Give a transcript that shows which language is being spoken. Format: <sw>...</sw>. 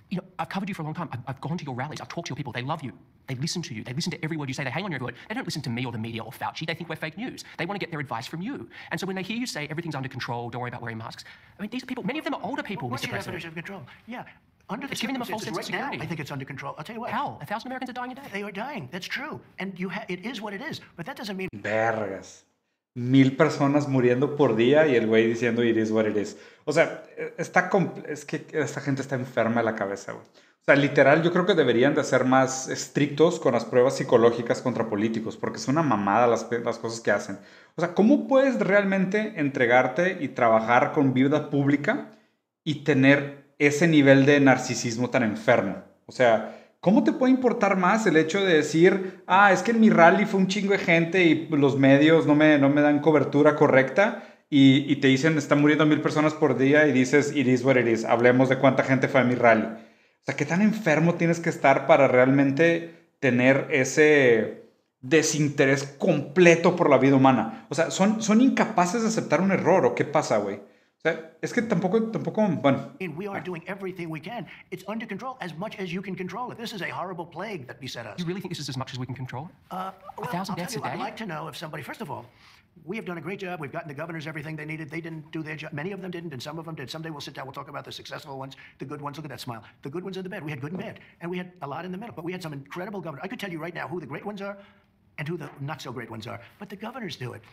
<en>You know, I've covered you for a long time. I've gone to your rallies. I've talked to your people. They love you. They listen to you. They listen to every word you say. They hang on your every word. They don't listen to me or the media or Fauci. They think we're fake news. They want to get their advice from you. And so when they hear you say everything's under control, don't worry about wearing masks. I mean, these people, many of them are older people, What's Mr. President. What's your definition of control? Yeah. Under the it's giving them a false sense right of security. Now, I think it's under control. I'll tell you what. How? 1,000 Americans are dying a day. They are dying. That's true. And you it is what it is. But that doesn't mean...</en> <es>Vergas. 1,000 personas muriendo por día y el güey diciendo</es> <en>it is what it is.</en> <es>O sea, está... Es que esta gente está enferma de la cabeza, güey. O sea, literal, yo creo que deberían de ser más estrictos con las pruebas psicológicas contra políticos, porque es una mamada las cosas que hacen. O sea, ¿cómo puedes realmente entregarte y trabajar con vida pública y tener ese nivel de narcisismo tan enfermo? O sea, ¿cómo te puede importar más el hecho de decir, ah, es que en mi rally fue un chingo de gente y los medios no me dan cobertura correcta? Y te dicen, están muriendo 1,000 personas por día y dices,</es> <en>it is what it is,</en> <es>hablemos de cuánta gente fue a mi rally. O sea, ¿qué tan enfermo tienes que estar para realmente tener ese desinterés completo por la vida humana? O sea, ¿son incapaces de aceptar un error o qué pasa, güey? O sea, es que tampoco, bueno.</es> <en>We are doing everything we can. It's under control as much as you can control it. This is a horrible plague that beset us. You really think this is as much as we can control? Well, 1,000 deaths a day? I'd like to know if somebody, first of all, we have done a great job. We've gotten the governors everything they needed. They didn't do their job. Many of them didn't, and some of them did. Someday we'll sit down. We'll talk about the successful ones, the good ones. Look at that smile. The good ones and the bad. We had good and bad, and we had a lot in the middle. But we had some incredible governors. I could tell you right now who the great ones are and who the not-so-great ones are. But the governors do it.</en>